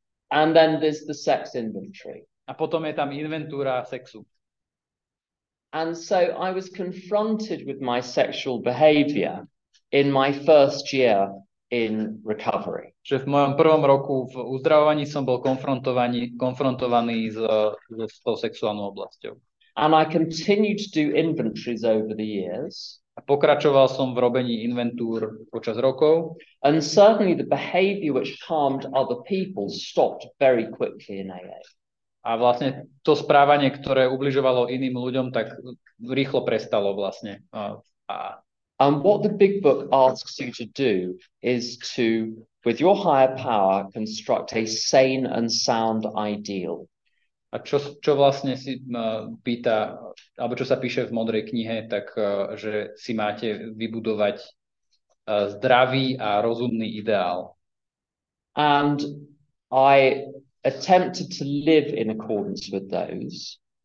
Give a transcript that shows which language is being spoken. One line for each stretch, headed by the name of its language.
English: And then there's the sex inventory.
Slovak: A potom je tam inventúra sexu.
English: And so I was confronted with my sexual behavior in my first year in recovery.
Slovak: Že v mojom prvom roku v uzdravovaní som bol konfrontovaný s tou sexuálnou oblasťou.
English: And I continued to do inventories over the years.
Slovak: A pokračoval som v robení inventúr počas rokov.
English: And certainly the behavior which harmed other people stopped very quickly in AA.
Slovak: A vlastne to správanie, ktoré ubližovalo iným ľuďom, tak rýchlo prestalo vlastne.
English: And what the big book asks you to do is to, with your higher power, construct a sane and sound ideal.
Slovak: A čo vlastne si pýta, alebo čo sa píše v modrej knihe, tak že si máte vybudovať zdravý a rozumný ideál.
English: And I attempted to live in accordance with those.